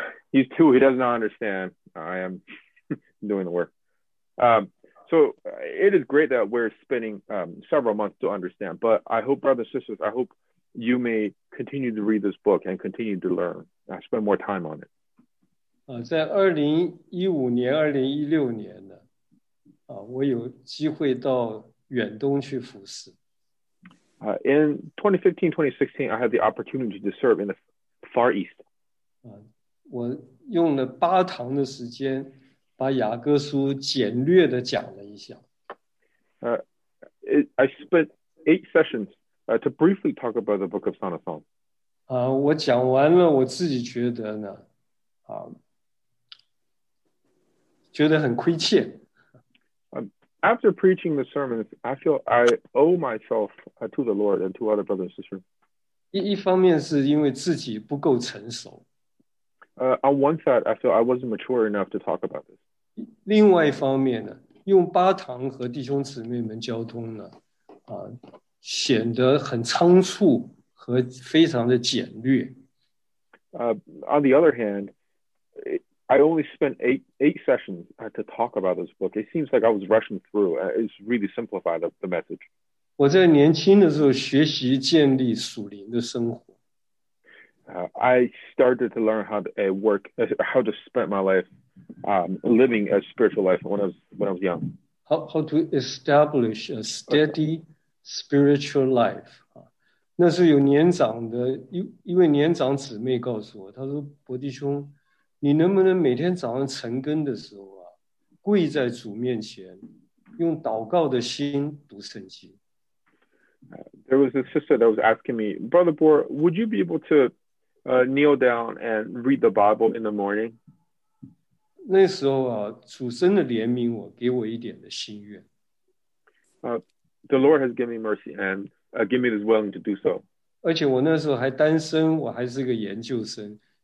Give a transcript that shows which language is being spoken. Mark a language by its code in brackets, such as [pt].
[en] He's two. He does not understand. I am doing the work. It is great that we're spending several months to understand. But I hope, brothers and sisters, I hope you may continue to read this book and continue to learn. Spend more time on it. [zh] 在2015年、2016年呢，我有机会到远东去服侍。 [en] In 2015, 2016, I had the opportunity to serve in the Far East. [zh] 我用了八堂的时间把雅各书简略的讲了一下。 [en] I spent 8 sessions to briefly talk about the book of Song of Songs. [zh] 我讲完了，我自己觉得呢，觉得很亏欠。 [en] After preaching the sermon, I feel I owe myself to the Lord and to other brothers and sisters. [zh] 一方面是因为自己不够成熟。 [en] On one side, I feel I wasn't mature enough to talk about this. [zh] 另外一方面呢，用八堂和弟兄姊妹们交通呢，显得很仓促和非常的简略。 [en] On the other hand, I only spent eight sessions to talk about this book. It seems like I was rushing through. It's really simplified the message. [zh] 我在年轻的时候学习建立属灵的生活。 [en] I started to learn how to work, how to spend my life, living a spiritual life when I was young. How to establish a steady spiritual life. [zh] 那是有年长的一位年长姊妹告诉我，她说：“伯弟兄。” 你能不能每天早上晨更的时候啊，跪在主面前，用祷告的心读圣经。 [en] There was a sister that was asking me, Brother Bor, would you be able to, kneel down and read the Bible in the morning? [zh] 那时候啊，主真的怜悯我，给我一点的心愿。 [en] The Lord has given me mercy and given me this willing to do so. [zh] 而且我那时候还单身，我还是个研究生。